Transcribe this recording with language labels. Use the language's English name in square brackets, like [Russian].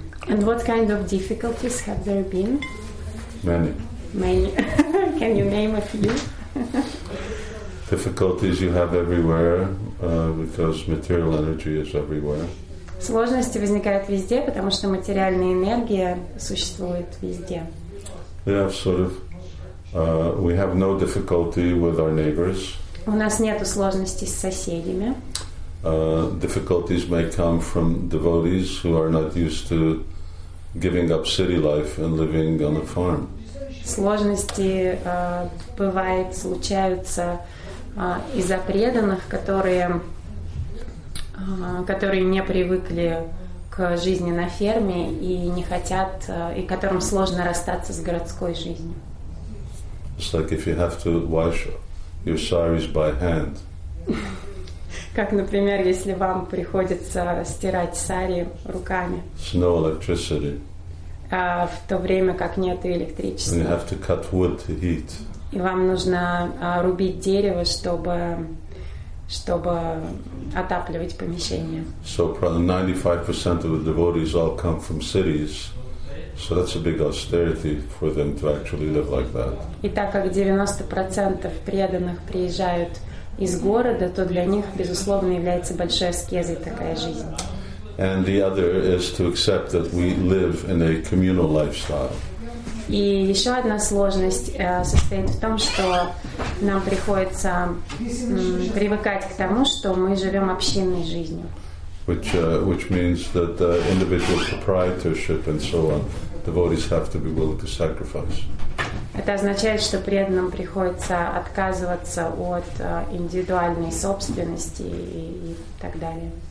[English] And what kind of difficulties have there been? Many. Many. Can you name a few? Difficulties you have everywhere because material energy is everywhere. [Russian] Сложности возникают везде, потому что материальная энергия существует везде. [English] Yeah, sort of. We have no difficulty with our neighbors. [Russian] У нас нету сложностей с соседями. [English] Difficulties may come from devotees who are not used to giving up city life and living on a farm. [Russian] Сложности бывают, случаются из-за преданных, которые не привыкли к жизни на ферме и не хотят, и которым сложно расстаться с городской жизнью. [English] It's like if you have to wash your saris by hand. [Russian] Как, например, если вам приходится стирать сари руками. [English] No electricity. [Russian] В то время как нет электричества. [English] And you have to cut wood to heat. [Russian] И вам нужно рубить дерево, чтобы отапливать помещение. [English] So probably 95% of the devotees all come from cities. So that's a big austerity for them to actually live like that. [Russian] И так как 90% преданных приезжают из города, то для них безусловно является большой аскезой такая жизнь. [English] And the other is to accept that we live in a communal lifestyle. [Russian] И еще одна сложность состоит в том, что нам приходится привыкать к тому, что мы живем общинной жизнью. [English] Which means that individual proprietorship and so on, devotees have to be willing to sacrifice. [Russian] Это означает, что преданным приходится отказываться от индивидуальной собственности и так далее.